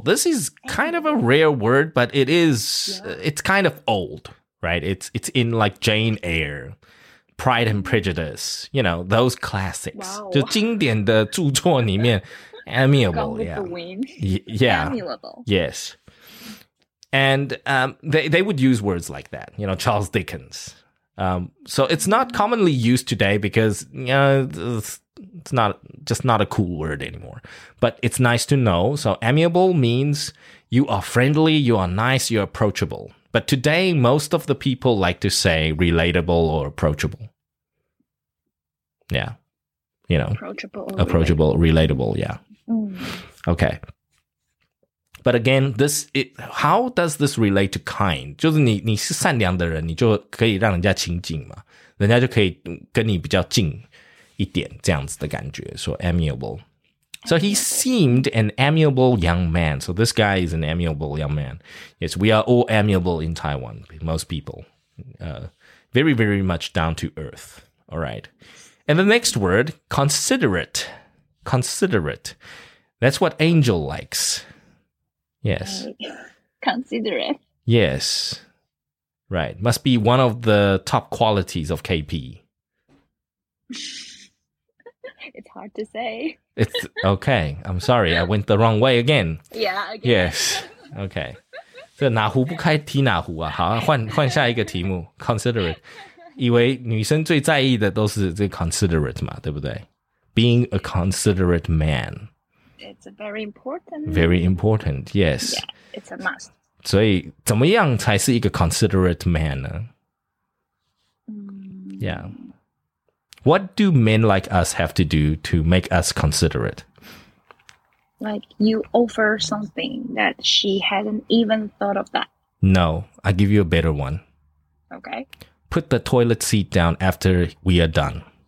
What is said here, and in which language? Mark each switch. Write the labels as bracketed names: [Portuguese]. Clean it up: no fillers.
[English] This is kind of a rare word, but it is, yeah. It's kind of old, right? It's in like Jane Eyre, Pride and Prejudice, you know, those classics. Wow. [Chinese] 就经典的著作里面 [English] Amiable, yeah. Yeah. Amiable. Yes. And they would use words like that, you know, Charles Dickens. So it's not commonly used today because, you know, it's not just not a cool word anymore. But it's nice to know. So amiable means you are friendly, you are nice, you're approachable. But today, most of the people like to say relatable or approachable. Yeah. You know, approachable, relatable, yeah. Okay. But again, how does this relate to kind? [Chinese] 就是你是善良的人，你就可以让人家亲近嘛，人家就可以跟你比较近一点，这样子的感觉， [English] so amiable. So he seemed an amiable young man. So this guy is an amiable young man. Yes, we are all amiable in Taiwan, most people. Very, very much down to earth. All right. And the next word, considerate. Considerate. That's what Angel likes. Yes. Considerate. Yes. Right. Must be one of the top qualities of KP. It's hard to say. It's okay. I'm sorry. I went the wrong way again. Yeah, again. Yes. Okay. [Chinese] 这哪壶不开提哪壶啊。好，换下一个题目。Considerate. 以为女生最在意的都是这 considerate 嘛，对不对？ [English] Being a considerate man. It's very important. Very important, yes. Yeah, it's a must. [Chinese] 所以怎么样才是一个 [English] considerate man [Chinese] 呢？ [English] Yeah. What do men like us have to do to make us considerate? Like you offer something that she hadn't even thought of that. No, I'll give you a better one. Okay. Put the toilet seat down after we are done.